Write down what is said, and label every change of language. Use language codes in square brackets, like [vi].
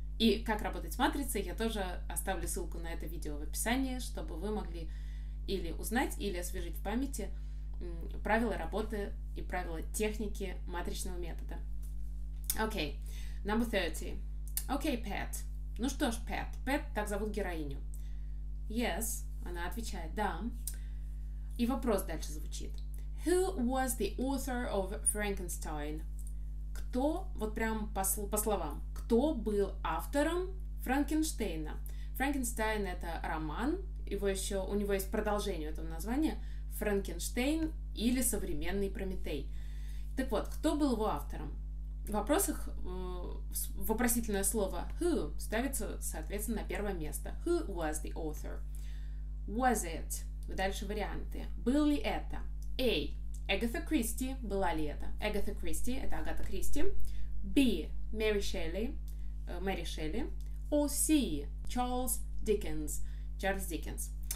[ru] И как работать с матрицей, я тоже оставлю ссылку на это видео в описании, чтобы вы могли или узнать, или освежить в памяти правила работы и правила техники матричного метода. Окей, [en] number 30. [ru] Окей, Пэт. Ну что ж, Пэт. Пэт так зовут героиню. [en] Yes, [ru] она отвечает, да. И вопрос дальше звучит. [en] Who was the author of Frankenstein? [ru] Кто, вот прям по словам, кто был автором Франкенштейна? Франкенштейн — это роман, его еще, у него есть продолжение этого названия, Франкенштейн или современный Прометей. Так вот, кто был его автором? В вопросах вопросительное слово «who» ставится, соответственно, на первое место. [en] «Who was the author?» «Was it?» [ru] Дальше варианты. «Был ли это?» «A» — Агата Кристи. «Была ли это?» «Агата Кристи» — это Агата Кристи. «B» — «Мэри Шелли». [en] Мэри Шелли, or C, Charles Dickens, Charles Dickens.